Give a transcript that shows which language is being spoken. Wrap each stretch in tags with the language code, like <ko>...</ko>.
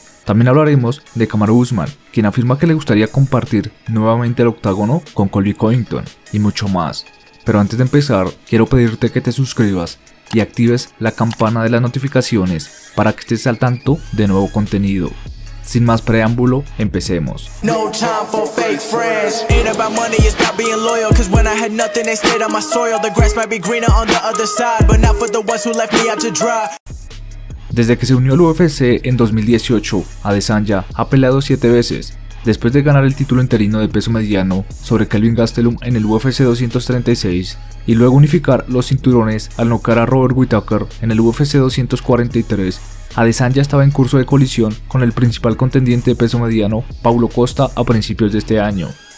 <es>También hablaremos de Kamaru Usman, quien afirma que le gustaría compartir nuevamente el octágono con Colby Covington y mucho más. Pero antes de empezar, quiero pedirte que te suscribas y actives la campana de las notificaciones para que estés al tanto de nuevo contenido. Sin más preámbulo, empecemos.</es> <en>No time for fake friends. Ain't about money, it's about being loyal. Cause when I had nothing, they stayed on my soil. The grass might be greener on the other side, but not for the ones who left me out to dry.</en> <es>Desde que se unió al UFC en 2018, Adesanya ha peleado 7 veces. Después de ganar el título interino de peso mediano sobre Kelvin Gastelum en el UFC 236 y luego unificar los cinturones al noquear a Robert Whittaker en el UFC 243, Adesanya estaba en curso de colisión con el principal contendiente de peso mediano, Paulo Costa, a principios de este año.</es>